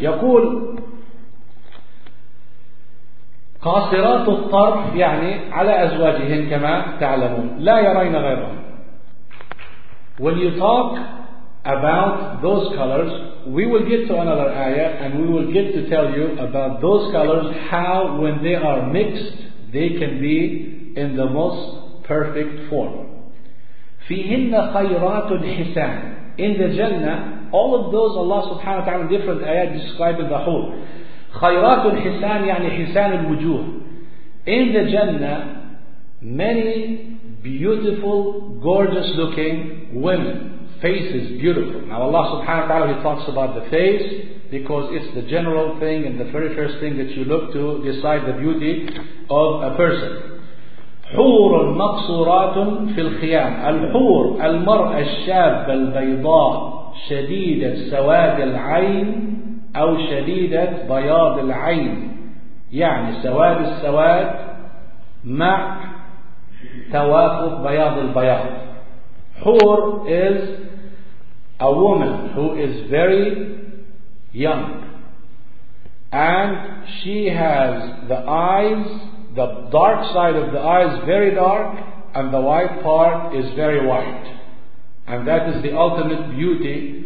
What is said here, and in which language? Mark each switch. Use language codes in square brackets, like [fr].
[ar] Yaqul قاصرات الطرف يعني على أزواجهن كما تعلمون لا يرين غيرهم. [en] When you talk about those colors, we will get to another ayah and we will get to tell you about those colors, how when they are mixed they can be in the most perfect form. [ar] فيهن خيرات الحسان. [en] In the Jannah, all of those Allah subhanahu wa ta'ala different ayah describe in the whole. [ar] خيرات الحسان يعني حسان الوجوه. [en] In the Jannah, many beautiful, gorgeous looking women. Faces, beautiful. Now Allah subhanahu wa ta'ala, He talks about the face because it's the general thing and the very first thing that you look to decide the beauty of a person. [ar] حور مقصورات في الخيام. الحور المرأة الشابة البيضاء شديدة سواد العين أو شديدة بياض العين يعني سواد السواد مع توافق بياض البياض. [en] حور is a woman who is very young and she has the eyes, the dark side of the eyes very dark and the white part is very white, and that is the ultimate beauty.